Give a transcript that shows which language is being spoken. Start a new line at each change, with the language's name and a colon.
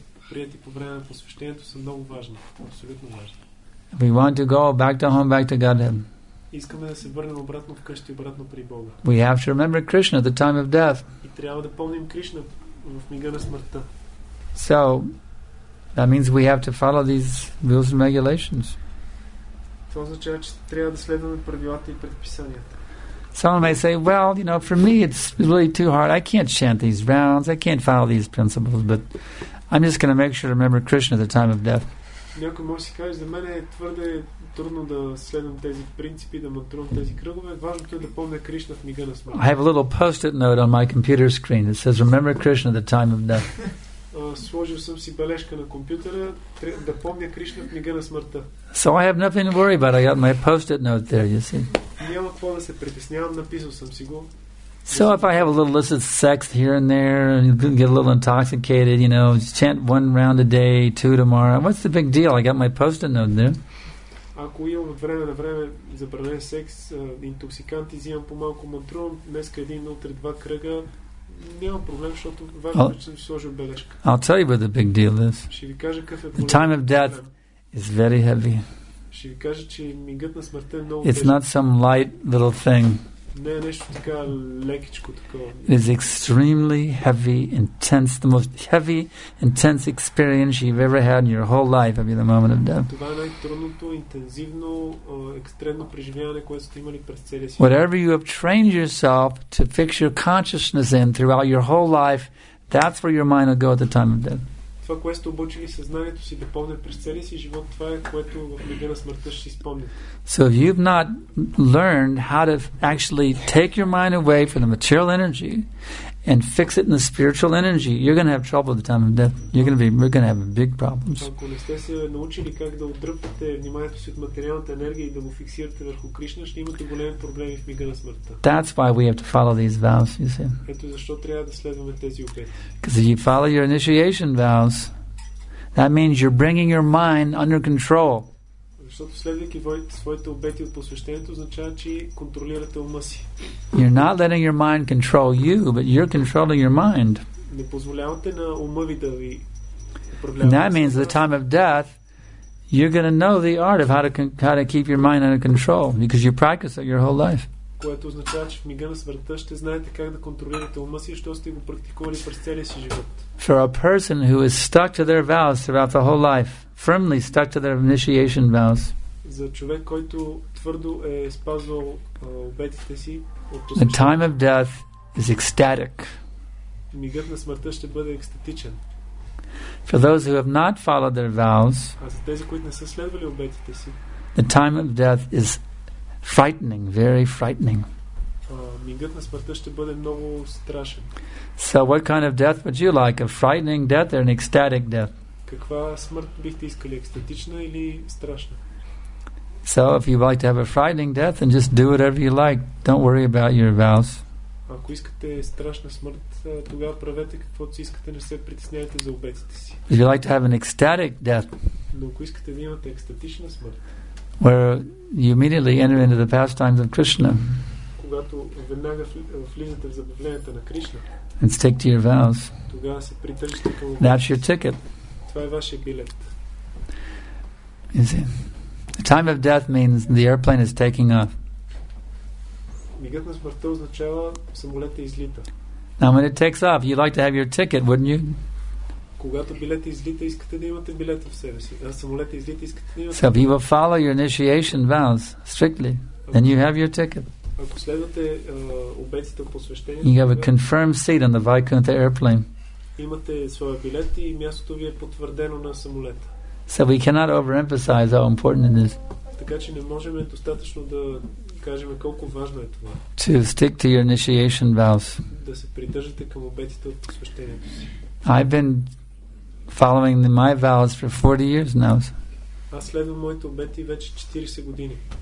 Bulgarian: Приети по време на посвещението са много важни, абсолютно важни.
English: We want to go back to home, back to Godhead.
Bulgarian: Искаме да се върнем обратно вкъщи, обратно при Бога.
English: We have to remember Krishna at the time of death.
Bulgarian: И трябва да помним Кришна в мига на смъртта.
English: So that means we have to follow these rules and regulations.
Bulgarian: Това означава, че трябва да следваме правилата и предписанията.
English: Someone may say, well, you know, for me it's really too hard. I can't chant these rounds. I can't follow these principles, but I'm just going to make sure to remember Krishna at the time of death.
Bulgarian: Някой може си каже, за мен е твърде трудно да следвам тези принципи, да мътрувам тези кръгове. Важното е да помня Кришна в мига на смърт.
English: I have a little post-it note on my computer screen that says, remember Krishna at the time of death.
Bulgarian: Сложил съм си бележка на компютъра, да помня Кришна в мига на смъртта.
English: So I have nothing to worry about. I got my post-it note there, you see.
Bulgarian: Няма какво да се притеснявам, написал съм си го.
English: So if I have a little illicit sex here and there and get a little intoxicated, you know, just chant one round a day, two tomorrow, what's the big deal? I got my post-it note there.
Bulgarian: Ако имам от време на време забранен секс, интоксикант, изимам по-малко мантрон, днеска един, утре два кръга, нямам проблем, защото важно, че съм си сложил бележка.
English: I'll tell you what the big deal is.
Bulgarian: Ще ви кажа какъв е
English: The time of death is very heavy.
Bulgarian: Ще ви кажа, че мигът на смъртта е много тежък.
English: It's not some light little thing.
Bulgarian: Не е нещо така лекичко такова.
English: It is extremely heavy, intense, the most heavy, intense experience you've ever had in your whole life at the moment of death.
Bulgarian: Това е най-трудното, интензивно, екстремно преживяване, което сте имали през целия си живот.
English: Whatever you have trained yourself to fix your consciousness in throughout your whole life, that's where your mind will go at the time of death.
Bulgarian: Това, което сте обучили съзнанието си да помня през целия си живот, това е което в мига на смъртта ще си спомня.
English: So if you've not learned how to actually take your mind away from the material energy and fix it in the spiritual energy, you're going to have trouble at the time of death. We're going to have big problems.
Bulgarian: Ако не сте се научили как да отдръпнете вниманието си от материалната енергия и да го фиксирате върху Кришна, ще имате големи проблеми в мига на смъртта.
English: That's why we have to follow these vows, you see.
Bulgarian: Ето защо трябва да следваме тези обети.
English: Because if you follow your initiation vows, that means you're bringing your mind under control.
Bulgarian: Защото следвайки своите обети от посвещението, означава, че контролирате ума си.
English: You're not letting your mind control you, but you're controlling your mind.
Bulgarian: Не позволявате на ума ви да ви управлява.
English: And that means the time of death, you're going to know the art of how to keep your mind under control, because you practice it your whole life.
Bulgarian: Което означава, че в мига на смъртта ще знаете как да контролирате ума си, защото сте го практикували през целия си живот.
English: For a person who is stuck to their vows throughout the whole life, firmly stuck to their initiation vows.
Bulgarian: За човек, който твърдо е спазвал обетите си,
English: the time of death is ecstatic.
Bulgarian: Мигът на смъртта ще бъде екстатичен.
English: For those who have not followed their vows,
Bulgarian: а за тези, които не са следвали обетите си,
English: the time of death is frightening, very frightening.
Bulgarian: Мигът на смъртта ще бъде много страшен.
English: So what kind of death would you like? A frightening death or an ecstatic death?
Bulgarian: Каква смърт бихте искали, екстатична или страшна?
English: So if you'd like to have a frightening death, then just do whatever you like. Don't worry about your vows.
Bulgarian: Ако искате страшна смърт, тогава правете каквото си искате, не се притеснявайте за обетите си.
English: If you'd like to have an ecstatic death,
Bulgarian: но ако искате да имате екстатична смърт,
English: where you immediately enter into the pastimes of Krishna.
Bulgarian: Когато веднага влизате в забавленията на Кришна.
English: And stick to your vows.
Bulgarian: Тогава се придържате към обетите.
English: That's your ticket.
Bulgarian: Това е вашия билет.
English: You see, the time of death means the airplane is taking off.
Bulgarian: Мигът на смъртта означава самолетът излита.
English: Now when it takes off, you'd like to have your ticket, wouldn't you?
Bulgarian: Когато билета излита, искате да имате билета в себе си. А самолетът излита, искате да имате.
English: So if you will follow your initiation vows strictly, then you have your ticket.
Bulgarian: Ако следвате обетите по посвещение,
English: you have a confirmed seat on the Vaikuntha airplane.
Bulgarian: Имате своя билет и мястото ви е потвърдено на самолета.
English: So we cannot overemphasize how important it is.
Bulgarian: Така че не можем достатъчно да кажем колко важно е това.
English: To stick to your initiation vows.
Bulgarian: Да се придържате към обетите от посвещението си.
English: I've been following my vows for 40 years now.
Bulgarian: Аз следвам моите обети вече 40 години.